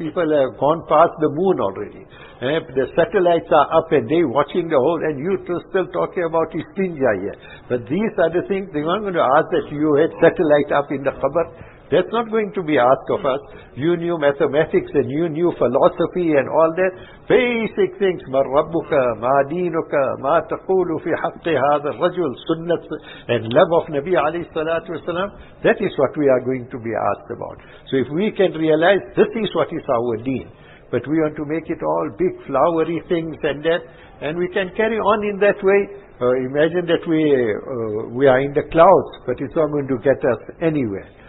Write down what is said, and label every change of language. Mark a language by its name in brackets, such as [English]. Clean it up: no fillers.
[English] People have gone past the moon already. The satellites are up and they watching the whole, and you still talking about istinja here. But these are the things, they aren't going to ask that you had satellite up in the qabr. That's not going to be asked of us. You knew mathematics and you knew philosophy and all that. Basic things. [Arabic] مَا رَبُّكَ مَا دِينُكَ مَا تَقُولُ فِي حَقِّ هَذَا الرَّجُلُ سُنَّةٌ [English] and love of Nabi alayhi salatu wasalam. That is what we are going to be asked about. So if we can realize this is what is our deen. But we want to make it all big flowery things and that. And we can carry on in that way. Imagine that we are in the clouds, but it's not going to get us anywhere.